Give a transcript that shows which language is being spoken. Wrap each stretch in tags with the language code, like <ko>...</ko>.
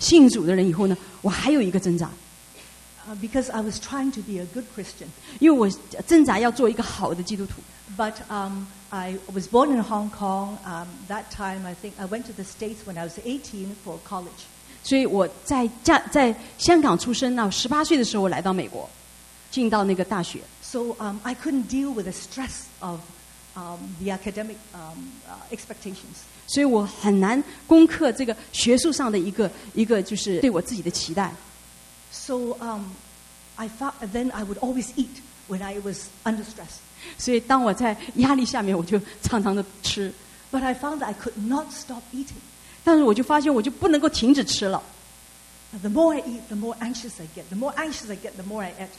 <zh>那几年以后呢，当我成为一个信主的人以后呢，我还有一个挣扎。</zh> <en>Because I was trying to be a good Christian.</en> <zh>因为我挣扎要做一个好的基督徒。</zh> <en>But I was born in Hong Kong. That time, I think I went to the States when I was 18 for college.</en> <zh>所以我在香港出生，那18岁的时候我来到美国。进到那个大学,</zh> <en>so I couldn't deal with the stress of the academic expectations.</en> <zh>所以我很难攻克这个学术上的一个就是对我自己的期待.</zh> <en>So I thought then I would always eat when I was under stress.</en> <zh>所以当我在压力下面，我就常常的吃.</zh> <en>But I found that I could not stop eating.</en> <zh>但是我就发现我就不能够停止吃了.</zh> <en>The more I eat, the more anxious I get. The more anxious I get, the more I eat.</en>